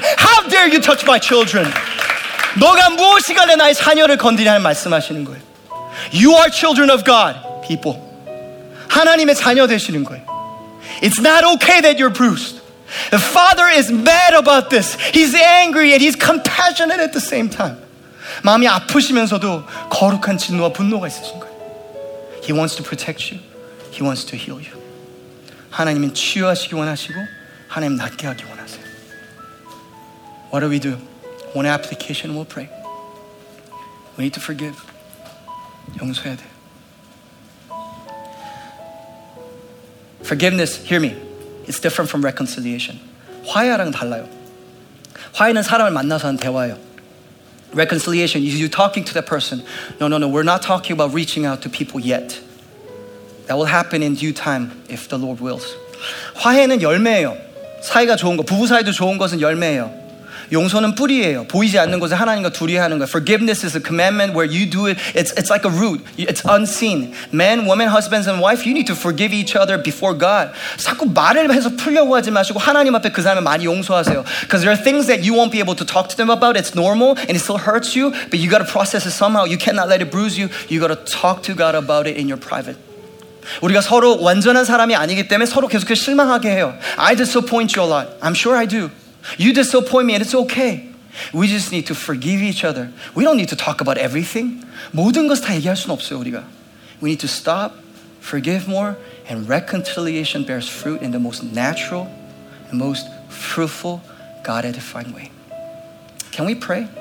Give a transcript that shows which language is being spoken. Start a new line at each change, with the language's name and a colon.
English: How dare you touch my children?
Korean: 너가 무엇이간에 나의 자녀를 건드리냐는 말씀하시는 거예요.
English: You are children of God, people.
Korean: 하나님의 자녀 되시는 거예요.
English: It's not okay that you're bruised. The Father is mad about this. He's angry and he's compassionate at the same time.
Korean: 마음이 아프시면서도 거룩한 진노와 분노가 있으신 거예요.
English: He wants to protect you. He wants to heal you.
Korean: 하나님은 치유하시기 원하시고 하나님 낫게 하기 원하세요.
English: What do we do? One application, we'll pray. We need to forgive.
Korean: 용서해야 돼.
English: Forgiveness, hear me. It's different from reconciliation.
Korean: 화해랑 달라요. 화해는 사람을 만나서 하는 대화예요.
English: Reconciliation, you're talking to that person. No, no, no, we're not talking about reaching out to people yet. That will happen in due time if the Lord wills.
Korean: 화해는 열매예요. 사이가 좋은 거, 부부 사이도 좋은 것은 열매예요. 용서는 뿌리예요. 보이지 않는 곳에 하나님과 둘이 하는 거예요.
English: Forgiveness is a commandment where you do it. It's like a root. It's unseen. Men, women, husbands, and wife, you need to forgive each other before God.
Korean: 자꾸 말을 해서 풀려고 하지 마시고 하나님 앞에 그 사람을 많이 용서하세요.
English: Because there are things that you won't be able to talk to them about. It's normal and it still hurts you, but you got to process it somehow. You cannot let it bruise you. You got to talk to God about it in your private.
Korean: 우리가 서로 완전한 사람이 아니기 때문에 서로 계속해서 실망하게 해요.
English: I disappoint you a lot. I'm sure I do. You disappoint me and it's okay. We just need to forgive each other. We don't need to talk about everything.
Korean: 모든 것을 다 얘기할 수는 없어요, 우리가.
English: We need to stop, forgive more, and reconciliation bears fruit in the most natural, the most fruitful, God-edifying way. Can we pray?